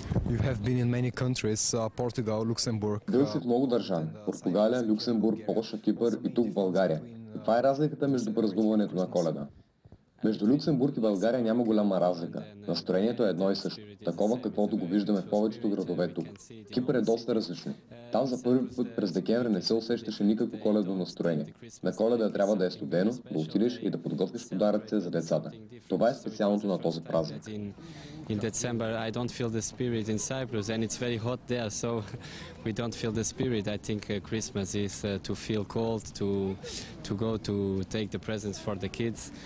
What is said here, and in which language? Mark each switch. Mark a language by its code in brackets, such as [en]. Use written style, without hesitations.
[en] You have been in many countries, Portugal, Luxembourg. [bg] Бил си в много държави. Португалия, Люксембург, Полша, Кипър и тук в България. Каква е разликата между празнуването на Коледа? Между Люксембург и България няма голяма разлика. Настроението е едно и също. Такова, каквото го виждаме в повечето градове тук. Кипър е доста различно. Там за първи път през декември не се усещаше никакво коледно настроение. На Коледа трябва да е студено, да отидеш и да подготвиш подаръци за децата. Това е специалното на този празник. [en] In December I don't feel the spirit in Cyprus, and it's very hot there, so we don't feel the spirit. I think Christmas is to feel cold, to go to take the presents for the kids.